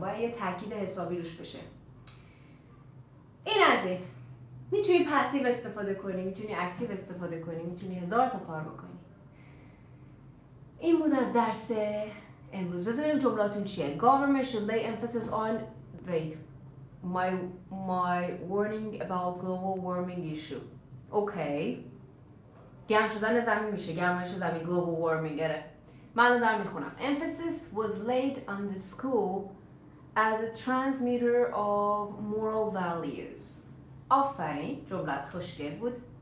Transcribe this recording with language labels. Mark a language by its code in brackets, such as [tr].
[fa] باید یه تاکید حسابی روش بشه. این از این. میتونی پسیو استفاده کنی، میتونی اکتیو استفاده کنی، میتونی هزار تا کار بکنی. این بود از درس امروز. بذاریم جملاتون چیه. [en] Government should lay emphasis on wait my warning about global warming issue. Okay. [fa] گرم شدن زمین میشه، گرمایش زمین global warming گره. من رو دارم میخونم. [en] Emphasis was laid on the school as a transmitter of moral values. [fa] آفرین، جملت خوشگل بود.